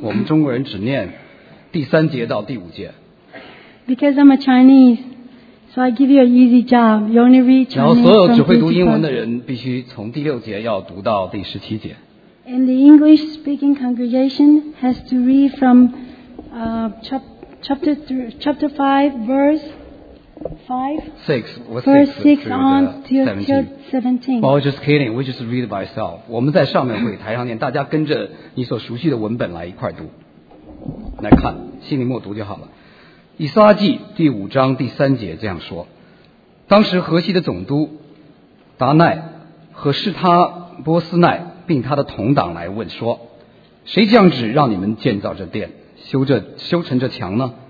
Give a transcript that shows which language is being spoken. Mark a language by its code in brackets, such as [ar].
[zh] 我们中国人只念第三节到第五节。 [en] Because I'm a Chinese, so I give you an easy job. You only read Chinese. [zh] 然后所有只会读英文的人必须从第六节要读到第十七节。 [en] And the English-speaking congregation has to read from chapter five, verse six on till seventeen. Well, just kidding. We just read by ourselves. [zh] 我们在上面会台上念，大家跟着你所熟悉的文本来一块读，来看，心里默读就好了。以撒记第五章第三节这样说：当时河西的总督达奈和示他波斯奈并他的同党来问说：谁降旨让你们建造这殿，修成这墙呢？